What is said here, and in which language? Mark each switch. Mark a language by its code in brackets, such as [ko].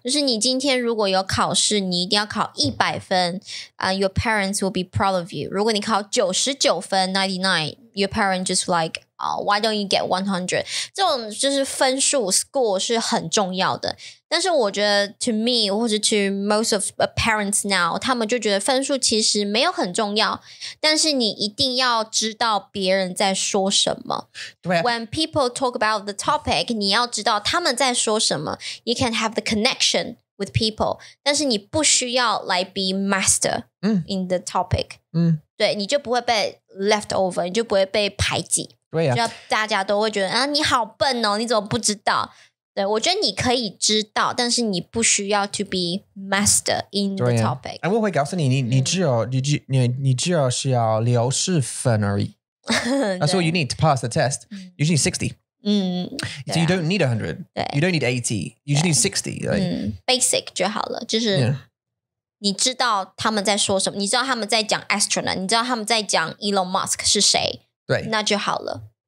[zh] 就是你今天如果有考试，你一定要考100分。 [en] Your parents will be proud of you. [zh] 如果你考99分 [en] ，99, your parents just like, oh, why don't you get 100? [zh] 这种就是分数 score 是很重要的。但是我觉得 ， [en] to me [zh] 或者 [en] to most of parents now， [zh] 他们就觉得分数其实没有很重要。但是你一定要知道别人在说什么。对啊。 [en] When people talk about the topic， [zh] 你要知道他们在说什么。 [en] You can have the connection with people， [zh] 但是你不需要来 [en] be master in the topic。 [zh] 嗯。对，你就不会被 [en] left over， [zh] 你就不会被排挤。对啊。就要大家都会觉得啊，你好笨哦，你怎么不知道？对，我觉得你可以知道，但是你不需要 [en] to be master in the topic. [zh] 我会告诉你，你只有你只有需要60分而已。 [en] That's all you need to pass the test. You just need 60. So you don't need 100. You don't need 80. You just need 60. [zh] Basic 就好了，就是你知道他们在说什么，你知道他们在讲 astronaut， 你知道他们在讲 Elon Musk 是谁，那就好了。